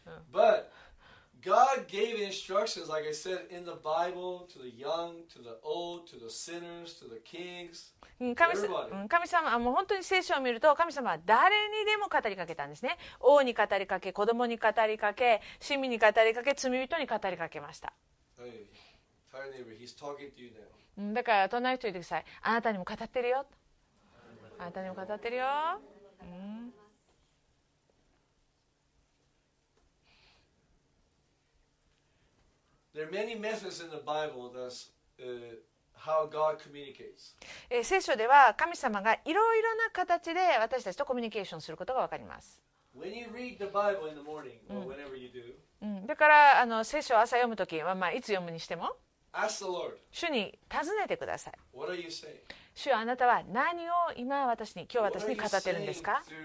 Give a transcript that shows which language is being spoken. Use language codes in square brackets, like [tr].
[en] But God gave instructions, like I said, in the Bible to the young, to the old, to the sinners, to the kings. [ja] 神様もう本当に聖書を見ると神様は誰にでも語りかけたんですね。王に語りかけ、子供に語りかけ、市民に語りかけ、罪人に語りかけました。 [en] Hey, tired neighbor, he's talking to you now. [ja] だから隣の人言ってください。あなたにも語ってるよ。あなたにも語ってるよ。 [en] There are many methods in the Bible that's how God communicates. [ja] 聖書では神様がいろいろな形で私たちとコミュニケーションすることがわかります。 [en] When you read the Bible in the morning or whenever you do. [ja] だから聖書を朝読むときは、まあ、いつ読むにしても。 [en] Ask the Lord. [ja] 主に尋ねてください。 [en] What are you saying? [ja] 主よ、あなたは何を今私に今日私に語ってるんですか。